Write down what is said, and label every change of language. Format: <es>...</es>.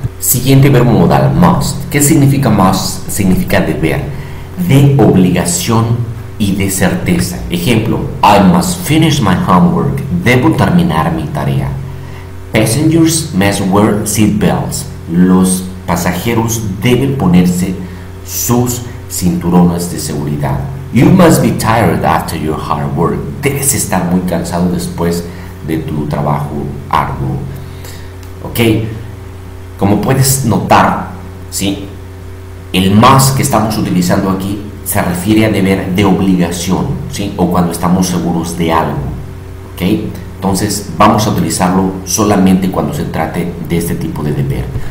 <es>Siguiente verbo modal, must. ¿Qué significa must? Significa deber, de obligación y de certeza.</es> <en>Ejemplo, I must finish my homework. Debo terminar mi tarea. Passengers must wear seat belts.</en> <es>Los pasajeros deben ponerse sus cinturones de seguridad.</es> <en>You must be tired after your hard work.</en> <es>Debes estar muy cansado después de tu trabajo arduo. Ok. Como puedes notar, ¿sí? El más que estamos utilizando aquí se refiere a deber de obligación, ¿sí? O cuando estamos seguros de algo, ¿ok? Entonces, vamos a utilizarlo solamente cuando se trate de este tipo de deber.</es>